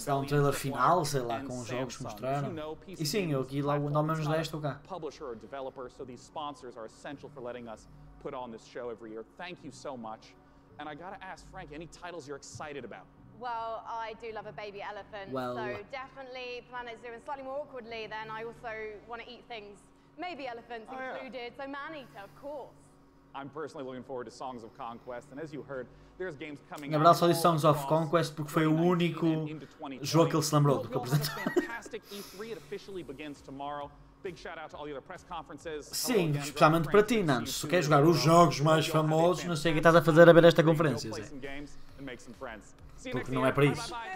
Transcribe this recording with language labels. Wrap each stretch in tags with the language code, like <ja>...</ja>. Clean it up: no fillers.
<pt>Será um trailer final, sei lá, com os jogos que mostraram. E sim, eu aqui lá ao menos 10 estou cá.</pt> <en>Publisher ou developer, so these sponsors are essential for letting us put on this show every year. Thank you so much. And I gotta ask Frank, any titles you're excited about? Well, I do love a baby elephant, so definitely Planet Zoo, and slightly more awkwardly then I also want to eat things. Maybe elephants included, so Maneater, of course. I'm personally looking forward to Songs of Conquest, and as you heard, there's games coming.</en> <pt>Na verdade, só disse Songs of Conquest porque foi o único jogo que ele se lembrou do que apresentou.</pt> <en>Fantastic E3 officially begins tomorrow. Big shout out to all the other press conferences.</en> <pt>Sim, especialmente para ti, Nando. Se queres jogar os jogos mais famosos, não sei o que estás a fazer a ver esta conferência, Zé. Porque não é para isso.</pt>